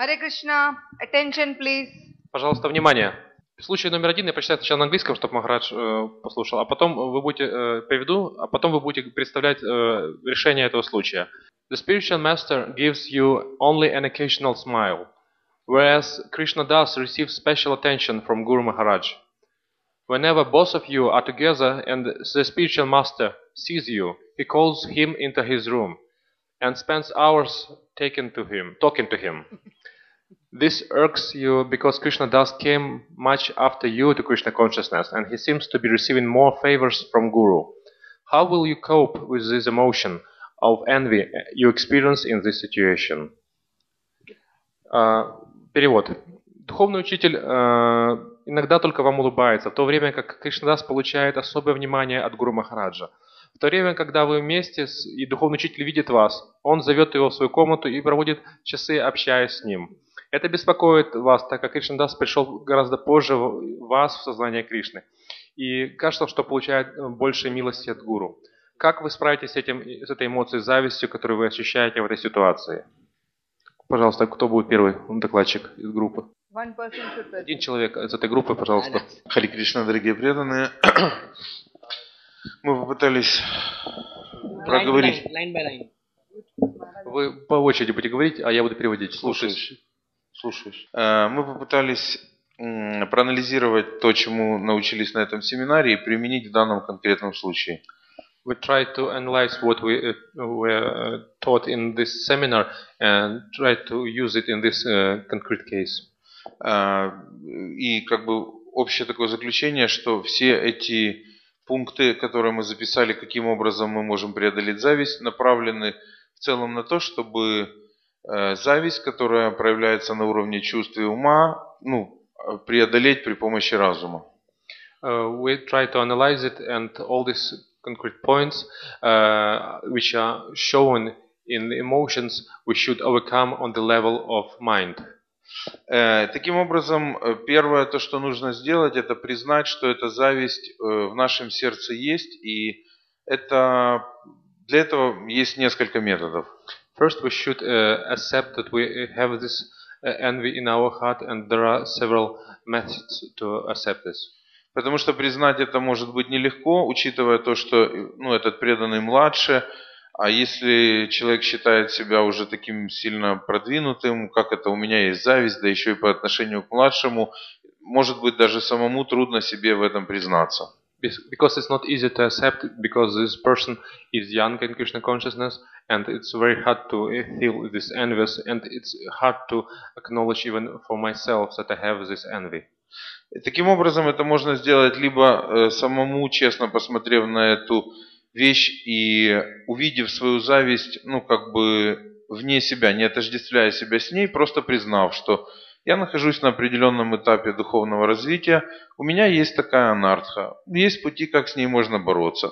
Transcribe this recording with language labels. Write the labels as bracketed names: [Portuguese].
[English] Hare Krishna, attention please. [Russian] Пожалуйста, внимание. Случай номер один я прочитаю сначала на английском, чтобы Махарадж послушал, а потом вы будете приведу, а потом вы будете представлять решение этого случая. [English] The spiritual master gives you only an occasional smile, whereas Krishna Das receives special attention from Guru Maharaj. Whenever both of you are together and the spiritual master sees you, he calls him into his room and spends hours talking to him. This irks you because Krishna Das came much after you to Krishna consciousness, and he seems to be receiving more favors from Guru. How will you cope with this emotion of envy you experience in this situation? [Russian] Перевод. Духовный учитель иногда только вам улыбается, в то время как Кришна Дас получает особое внимание от Гуру Махараджа. В то время, когда вы вместе и духовный учитель видит вас, он зовет его в свою комнату и проводит часы, общаясь с ним. Это беспокоит вас, так как Кришна Дас пришел гораздо позже вас в сознание Кришны. И кажется, что получает больше милости от Гуру. Как вы справитесь с этой эмоцией, завистью, которую вы ощущаете в этой ситуации? Пожалуйста, кто будет первый докладчик из группы? Один человек из этой группы, пожалуйста. Хари Кришна, дорогие преданные. Мы попытались проговорить. Вы по очереди будете говорить, а я буду переводить. Слушаюсь. Мы попытались проанализировать то, чему научились на этом семинаре, и применить в данном конкретном случае. [English] We try to analyze what we were taught in this seminar and try to use it in this concrete case. [Russian] И как бы общее такое заключение, что все эти пункты, которые мы записали, каким образом мы можем преодолеть зависть, направлены в целом на то, чтобы зависть, которая проявляется на уровне чувств и ума, ну, преодолеть при помощи разума. [English] We try to analyze it and all this concrete points which are shown in the emotions we should overcome on the level of mind. [Russian] Таким образом, первое то, что нужно сделать, это признать, что эта зависть в нашем сердце есть, и это для этого есть несколько методов. [English] First we should accept that we have this envy in our heart, and there are several methods to accept this. [Russian] Потому что признать это может быть нелегко, учитывая то, что ну, этот преданный младше, а если человек считает себя уже таким сильно продвинутым, как это у меня есть зависть, да еще и по отношению к младшему, может быть даже самому трудно себе в этом признаться. [English] Because it's not easy to accept, because this person is young in Krishna consciousness, and it's very hard to feel this envy, and it's hard to acknowledge even for myself that I have this envy. [Russian] И таким образом, это можно сделать либо самому, честно посмотрев на эту вещь и увидев свою зависть, ну, как бы вне себя, не отождествляя себя с ней, просто признав, что я нахожусь на определенном этапе духовного развития, у меня есть такая анартха, есть пути, как с ней можно бороться.